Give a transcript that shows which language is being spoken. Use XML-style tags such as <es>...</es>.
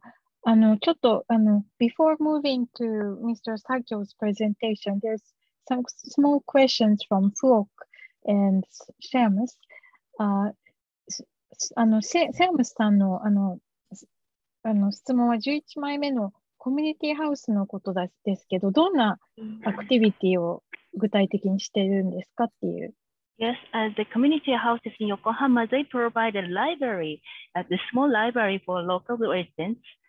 <en>ちょっと before moving to Mr. Sakyo's presentation, there's some small questions from Fuok and Seamus.</en> <ja>Seamus さんの、質問は11枚目のコミュニティハウスのことですけど、どんなアクティビティを具体的にしているんですかっていう。</ja> <en>Yes, as the community houses in Yokohama, they provide a library, a small library for local residents.</en>